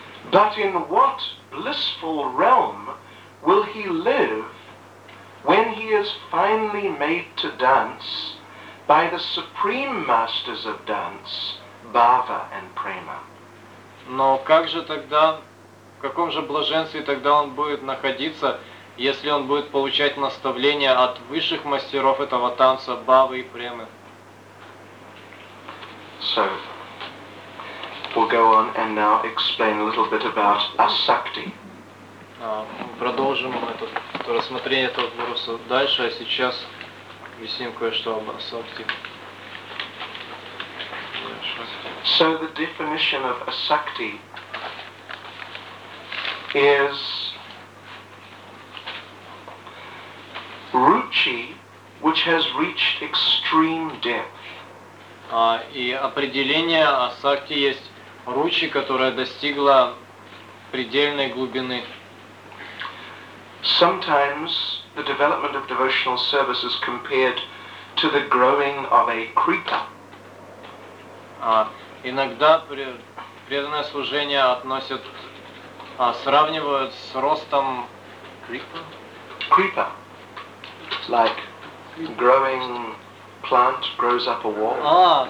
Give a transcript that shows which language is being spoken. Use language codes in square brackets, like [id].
[en] But in what blissful realm will he live when he is finally made to dance by the supreme masters of dance, Bhava and Prema? [ru] Но как же тогда, в каком же блаженстве тогда он будет находиться, если он будет получать наставления от высших мастеров этого танца, Бхавы и Премы? [en] So, we'll go on and now explain a little bit about asakti. [ru] Продолжим это рассмотрение этого вопроса дальше, а сейчас объясним кое-что об асакти. [en] So the definition of asakti is ruchi, which has reached extreme depth. [ru] И определение асакти есть ручи, которая достигла предельной глубины. [en] Sometimes the development of devotional service is compared to the growing of a creeper. [ru] Иногда преданное служение относят, сравнивают с ростом [en] creeper. Like growing plant grows up a wall.